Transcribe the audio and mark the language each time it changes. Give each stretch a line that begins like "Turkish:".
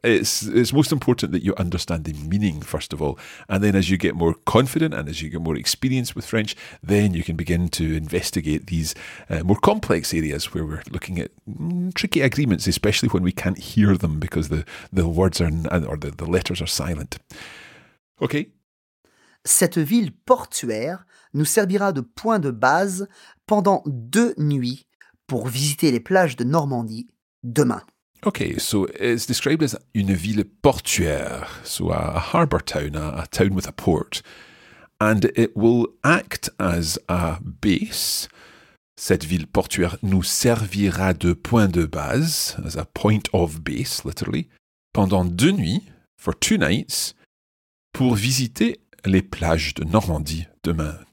English: It's most important that you understand the meaning, first of all. And then as you get more confident and as you get more experience with French, then you can begin to investigate these more complex areas where we're looking at tricky agreements, especially when we can't hear them because the words are or the letters are silent. Okay?
French: Cette ville portuaire nous servira de point de base pendant 2 nuits pour visiter les plages de Normandie demain.
English: Okay, so it's described as
French: une ville portuaire,
English: so a harbour town, a town with a port. And it will act as a base.
French: Cette ville portuaire nous servira de point de base,
English: as a point of base, literally,
French: pendant 2 nuits,
English: for 2 nights,
French: pour visiter les plages de Normandie demain.